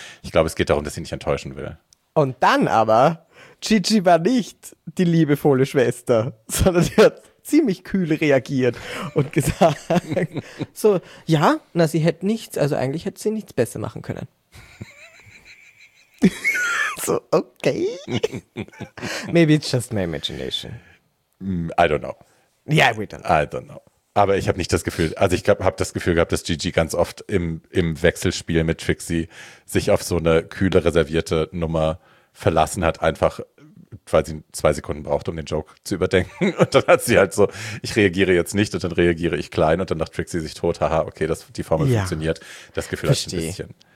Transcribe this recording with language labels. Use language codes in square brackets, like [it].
[de] Ich glaube, es geht darum, dass sie nicht enttäuschen will. Und dann aber, Gigi war nicht die liebevolle Schwester, sondern sie hat ziemlich kühl reagiert und gesagt, so, ja, na, sie hätte nichts, also eigentlich hätte sie nichts besser machen können. So, okay. [en] Maybe it's just my imagination. I don't know. Yeah, we don't know. I don't know. [de] Aber ich habe nicht das Gefühl, also ich habe das Gefühl gehabt, dass Gigi ganz oft im Wechselspiel mit Trixie sich auf so eine kühle, reservierte Nummer verlassen hat, einfach weil sie 2 Sekunden braucht, um den Joke zu überdenken. Und dann hat sie halt so, ich reagiere jetzt nicht und dann reagiere ich klein und dann macht Trixie sich tot, haha, okay, das, die Formel funktioniert. Das Gefühl hat ein bisschen.